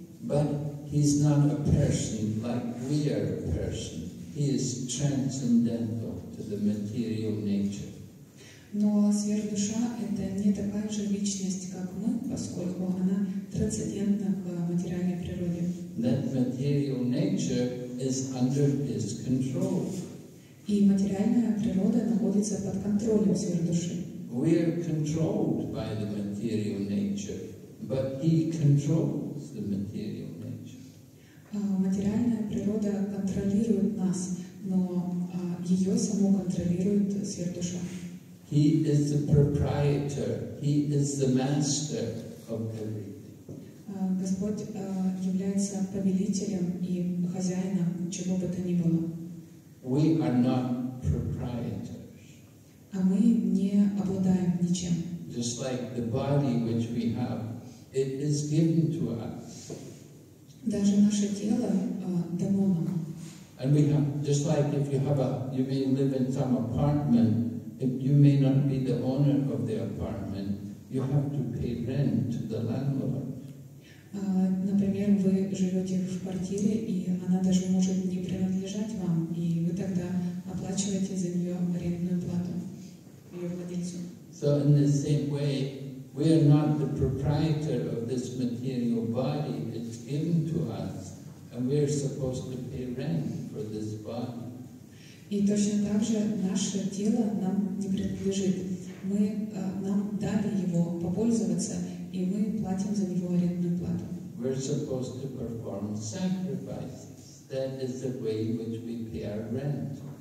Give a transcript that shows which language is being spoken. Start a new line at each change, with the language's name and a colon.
English: But he's not a person like we are a person. He is transcendental to the material nature.
Russian: Но сверхдуша это не такая же личность, как мы, поскольку она трансцендентна к материальной природе.
English: That material nature is under his control.
Russian: И материальная природа находится под контролем сверхдуши.
English: We are controlled by the material nature, but he controls the material nature.
Russian: Материальная природа контролирует нас, но ее само контролирует сверхдуша.
English: He is the proprietor, he is the master of everything.
Russian: Господь является повелителем и хозяином чего бы то ни было.
English: We are not proprietors.
Russian: А мы не обладаем ничем.
English: Just like the body which we have, it is given to us.
Russian: Даже наше тело дано нам.
English: And we have, just like if you have a, you may live in some apartment, if you may not be the owner of the apartment, you have to pay rent to the landlord.
Russian: Например, вы живете в квартире, и она даже может не принадлежать вам, и вы тогда оплачиваете за нее арендную плату ее владельцу.
English: So in the same way, we are not the proprietor of this material body. It's given to us, and we are supposed to pay rent for this body.
Russian: И точно так же наше тело нам не принадлежит. Мы нам дали его попользоваться, и мы платим за него арендную плату.
English: We're supposed to perform sacrifices. That is the way in which we pay our rent.